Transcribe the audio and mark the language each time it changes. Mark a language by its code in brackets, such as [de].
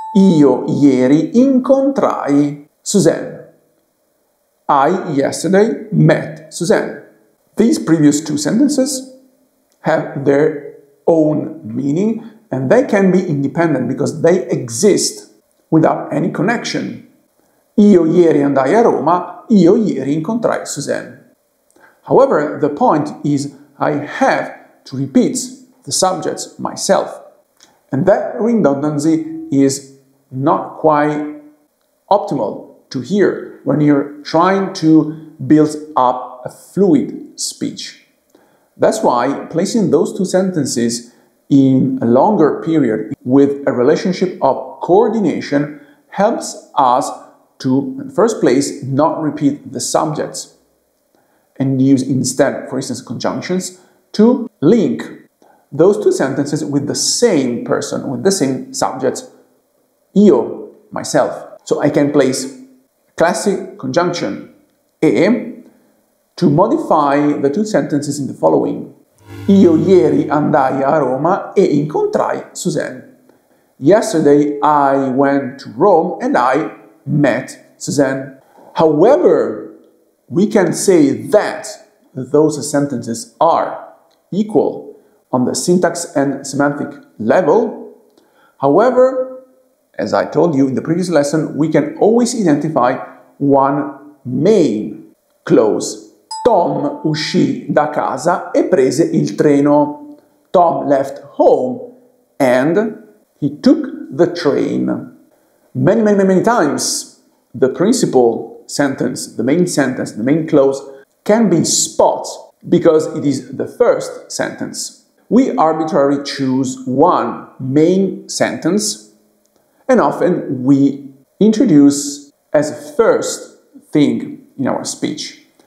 [it] Io ieri incontrai Suzanne. [en] I yesterday met Suzanne. These previous two sentences have their own meaning, and they can be independent because they exist without any connection. [it] Io ieri andai a Roma, io ieri incontrai Suzanne. [en] However, the point is I have to repeat the subjects myself, and that redundancy is not quite optimal to hear when you're trying to build up a fluid speech. That's why placing those two sentences in a longer period with a relationship of coordination helps us to, in the first place, not repeat the subjects and use instead, for instance, conjunctions to link those two sentences with the same person, with the same subject, io, myself. So I can place classic conjunction e to modify the two sentences in the following. [it] Io ieri andai a Roma e incontrai Suzanne. [en] Yesterday I went to Rome and I met Suzanne. However, we can say that those sentences are equal on the syntax and semantic level. However, as I told you in the previous lesson, we can always identify one main clause. [it] Tom uscì da casa e prese il treno. [en] Tom left home and he took the train. Many times the principal sentence, the main sentence, the main clause can be spot because it is the first sentence. We arbitrarily choose one main sentence and often we introduce as a first thing in our speech.